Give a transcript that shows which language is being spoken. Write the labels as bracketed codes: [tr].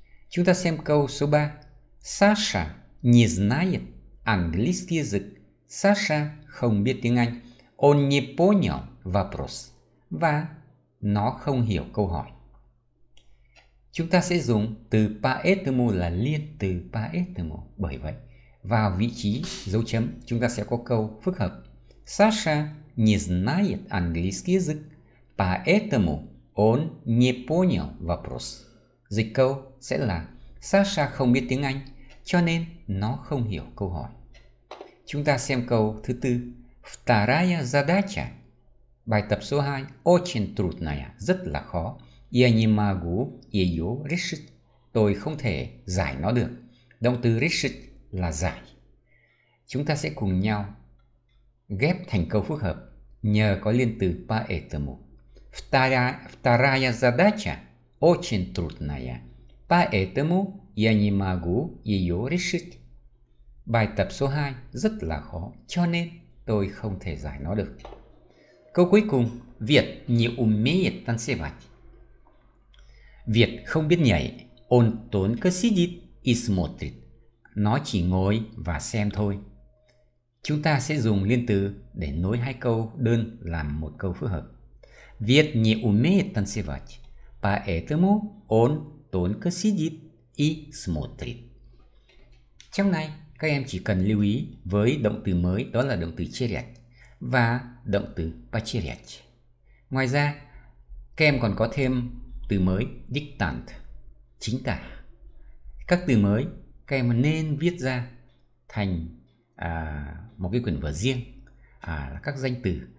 [vi] Chúng ta xem câu số 3. [ru] Саша не знает английский язык. [vi] Саша không biết tiếng Anh. [ru] Он не понял вопрос. [vi] Và nó không hiểu câu hỏi. Chúng ta sẽ dùng từ поэтому là liên từ поэтому. Bởi vậy, vào vị trí dấu chấm, chúng ta sẽ có câu phức hợp. [ru] Саша не знает английский язык, поэтому он не понял вопрос. [vi] Dịch câu sẽ là Саша không biết tiếng Anh, cho nên nó không hiểu câu hỏi. Chúng ta xem câu thứ tư. [ru] Вторая задача. [vi] Bài tập số 2, [ru] очень трудная, [vi] rất là khó. [ru] Я не могу её решить. [vi] Tôi không thể giải nó được. Động từ решить là giải. Chúng ta sẽ cùng nhau ghép thành câu phức hợp nhờ có liên từ поэтому. [ru] Вторая задача очень трудная. Поэтому я не могу её решить. [vi] Bài tập số 2 rất là khó, cho nên tôi không thể giải nó được. Câu cuối cùng, Việt [ru] не умеет танцевать. [vi] Việt không biết nhảy. [ru] Он только сидит и смотрит. [vi] Nó chỉ ngồi và xem thôi. Chúng ta sẽ dùng liên từ để nối hai câu đơn làm một câu phức hợp. [ru] Việt не умеет танцевать. Поэтому он только сидит и смотрит. [vi] Trong này, các em chỉ cần lưu ý với động từ mới, đó là động từ черять và động từ почерять. Ngoài ra, các em còn có thêm từ mới диктант, chính tả. Các từ mới, các em nên viết ra thành một cái quyển vở riêng, các danh từ.